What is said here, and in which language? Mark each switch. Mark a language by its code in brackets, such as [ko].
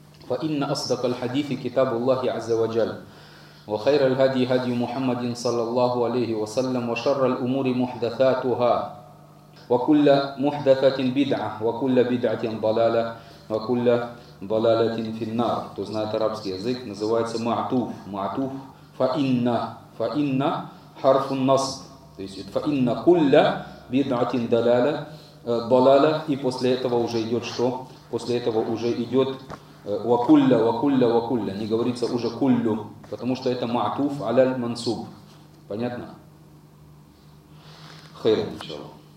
[ar] فإن أصدق الحديث كتاب الله عز وجل وخير الهدي هدي محمد صلى الله عليه وسلم وشر الأمور محدثاتها وكل محدثة بدعة وكل بدعة ضلالة وكل ضلالة في النار. [ru] То знает арабский язык, называется معطوف. [ar] معطوف فإن فإن حرف النصب. [ru] То есть [ar] فإن كل بدعة ضلالة ضلالة. [ru] И после этого уже идет что? После этого уже идет [ar] وَكُلَّ وَكُلَّ وَكُلَّ. [ru] Не говорится уже «куллю», потому что это «ма'туф аляль мансуб». Понятно? Хайр, иншаллах.